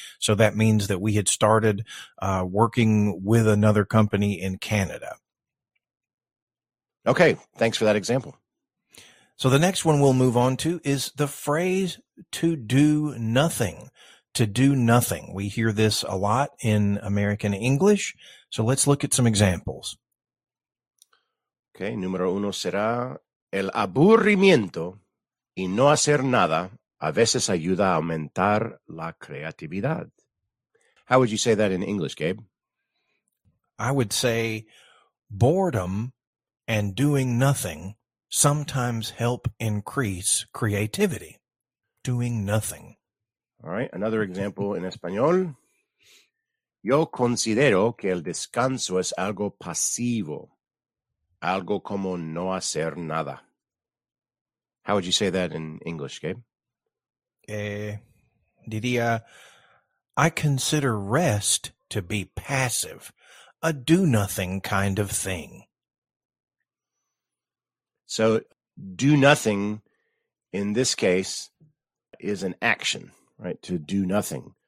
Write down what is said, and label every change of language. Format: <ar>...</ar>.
<en>So that means that we had started working with another company in Canada. Okay, thanks for that example. So the next one we'll move on to is the phrase to do nothing. To do nothing. We hear this a lot in American English. So let's look at some examples.</en> <es>Okay, número uno será el aburrimiento y no hacer nada a veces ayuda a aumentar la creatividad.</es> <en>How would you say that in English, Gabe? I would say boredom and doing nothing sometimes help increase creativity. Doing nothing. All right, another example in Español.</en> <es>Yo considero que el descanso es algo pasivo, algo como no hacer nada.</es> <en>How would you say that in English, Gabe?</en> <es>Diría,</es> <en>I consider rest to be passive, a do-nothing kind of thing. So, do-nothing, in this case, is an action, right? To do nothing.</en>